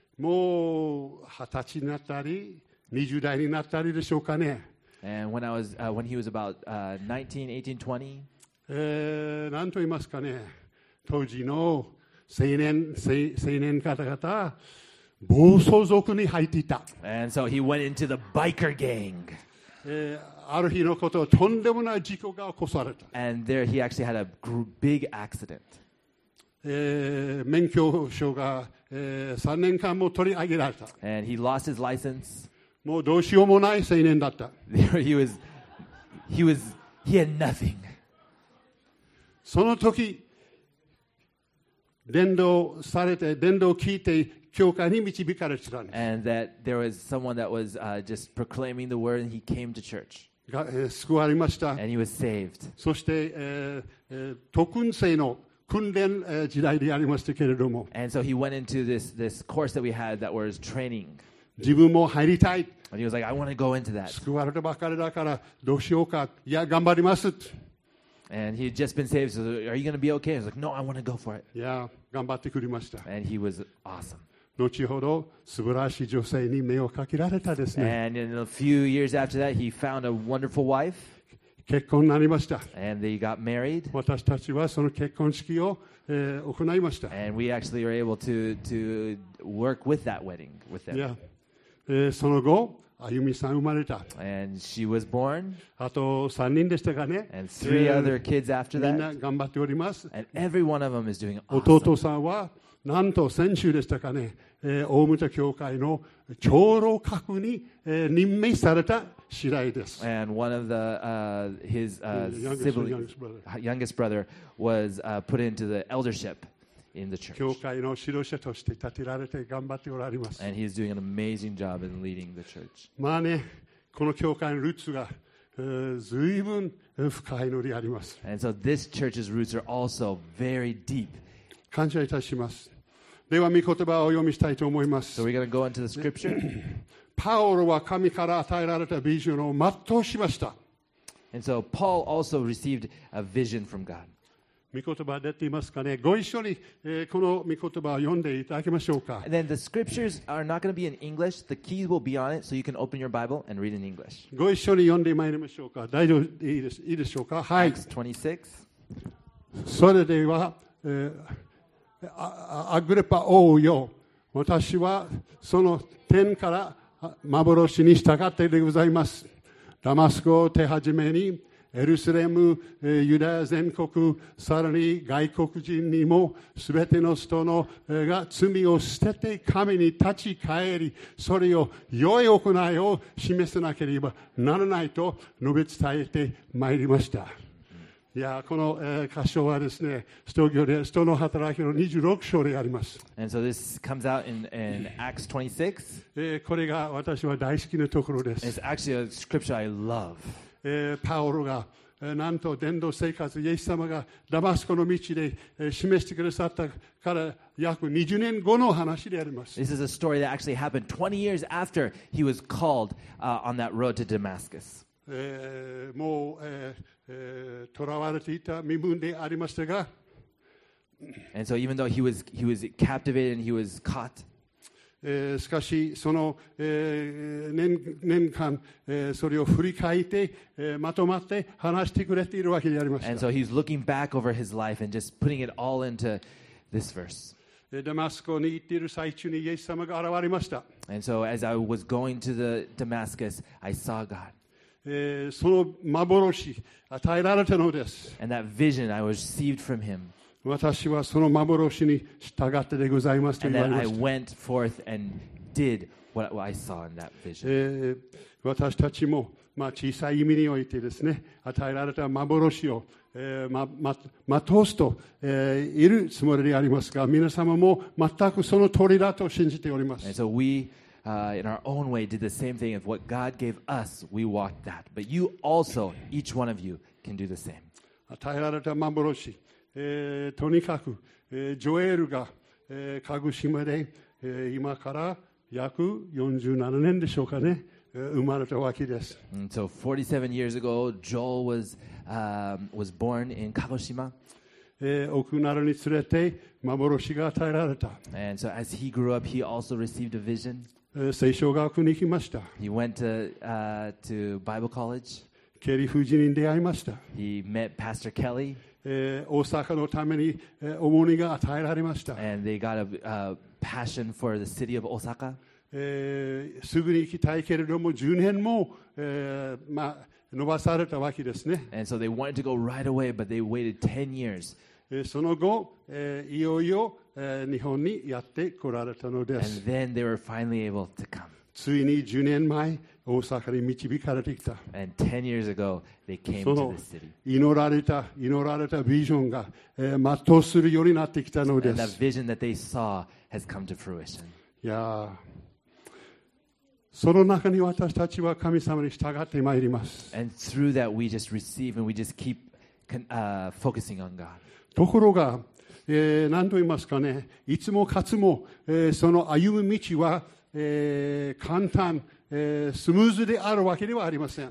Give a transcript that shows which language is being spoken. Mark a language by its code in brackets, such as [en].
[ja] もう20歳になったり、20代になったりでしょうかね。 [en] And when I was, when he was about 19, 18, 20. [ja] 何と言いますかね。当時の青年方々、暴走族に入っていた。 [en] And so he went into the biker gang. [ja] ある日のこと、とんでもない事故が起こされた。 [en] And there he actually had a big accident. [ja] 免許証が3年間も取り上げられた。 [en] And he lost his license. [ja] もうどうしようもない青年だった。 [en] he had nothing. [ja] その時、伝道されて、伝道聞いて、教会に導かれてたんです。 [en] And that there was someone that was just proclaiming the word and he came to church. [ja] 救われました。 [en] And he was saved. [ja] そして、特訓生の訓練時代でありましたけれども。 [en] And so he went into this course that we had that was training. [ja] 自分も入りたい。 [en] And he was like, I want to go into that. [ja] 救われたばかりだからどうしようか。いや、頑張ります。 [en] And he had just been saved, so are you going to be okay? He was like, no, I want to go for it. [ja] いや、頑張ってくれました。 [en] And he was awesome. [ja] 後ほど素晴らしい女性に目をかけられたですね。 [en] And in a few years after that, he found a wonderful wife. [ja] 結婚になりました。 [en] And they got married. [ja] 私たちはその結婚式を、行いました。 [en] And we actually were able to work with that wedding with them. Yeah. [ja] その後、あゆみさん生まれた。 [en] And she was born. [ja] あと3人でしたかね。 [en] And three other kids after that. [ja] みんな頑張っております。 [en] And every one of them is doing awesome. [ja] 弟さんはなんと先週でしたかね、大牟田教会の長老閣に、任命された。 [en] And one of the his youngest brother was put into the eldership in the church. [ja] 教会の指導者として立てられて頑張っておられます。 [en] And he is doing an amazing job in leading the church. [ja] まあね、この教会のルーツが随分深いのであります。 [en] And so this church's roots are also very deep. [ja] 感謝いたします。では御言葉をお読みしたいと思います。 [en] So we're going to go into the scripture. [ja] パウロは神から与えられたビジョンを全うしました。 [en] And so Paul also received a vision from God. [ja] 御言葉出ていますかね。ご一緒に、この御言葉を読んでいただきましょうか。 [en] And then the scriptures are not going to be in English. The keys will be on it, so you can open your Bible and read in English. [ja] ご一緒に読んでまいりましょうか。大丈夫いいでしょうか。はい。 [en] Acts 26. [ja] それでは、アグリパ王よ、私はその天から幻に従ってでございます。ダマスコを手始めにエルサレム、ユダヤ全国、さらに外国人にも、すべての人の、が罪を捨てて神に立ち返り、それを良い行いを示さなければならないと述べ伝えてまいりました。いや、この、箇所はですね、人の働きの26章であります。 [en] And so this comes out in Acts 26. [ja] これが私は大好きなところです。 [en] It's actually a scripture I love. [ja] パウロが、なんと伝道生活、イエス様がダマスコの道で、示してくださったから約20年後の話であります。 [en] This is a story that actually happened 20 years after he was called, on that road to Damascus. [ja] もう、囚われていた身分でありましたが、 [en] and so even though he was captivated and he was caught, [ja] しかしその、年間、それを振り返って、まとまって話してくれているわけでありました。 [en] And so he's looking back over his life and just putting it all into this verse. [ja] ダマスコに行っている最中にイエス様が現れました。 [en] And so as I was going to the Damascus, I saw God. [ja] その幻与えられたのです。 [en] And that vision I received from him. [ja] 私はその幻に従ってでございますと言われました。 [en] And then I went forth and did what I saw in that vision. [ja] 私たちも、まあ、小さい意味においてですね、与えられた幻を、通すと、いるつもりでありますが、皆様も全くその通りだと信じております。 [en] And so weIn our own way, did the same thing of what God gave us, we walked that. But you also, each one of you, can do the same. [ja] 与えられた幻、とにかく、ジョエルが、鹿児島で、今から約47年でしょうかね、生まれたわけです。 [en] And so 47 years ago, Joel was born in Kagoshima. [ja] 奥なるにつれて幻が与えられた。 [en] And so as he grew up, he also received a vision. [ja] 聖書学校に行きました。 [en] He went to Bible college. [ja] ケリー夫人に出会いました。 [en] He met Pastor Kelly. [ja] 大阪のために重荷が与えられました。 [en] And they got a passion for the city of Osaka. [ja] すぐに行きたいけれども10年も、まあ伸ばされたわけですね。 [en] And so they wanted to go right away, but they waited 10 years. [ja] その後、いよいよ、日本にやってこられたのです。 [en] And then they were finally able to come. [ja] ついに10年前、大阪に導かれてきた。 [en] And 10 years ago, they came to the city. [ja] 祈られたビジョンが、全うするようになってきたのです。 [en] And the vision that they saw has come to fruition. Yeah. [ja] その中に私たちは神様に従ってまいります。 [en] And through that we just receive and we just keep focusing on God. [ja] ところが、何と言いますかね、いつもかつも、その歩む道は、簡単、スムーズであるわけではありません。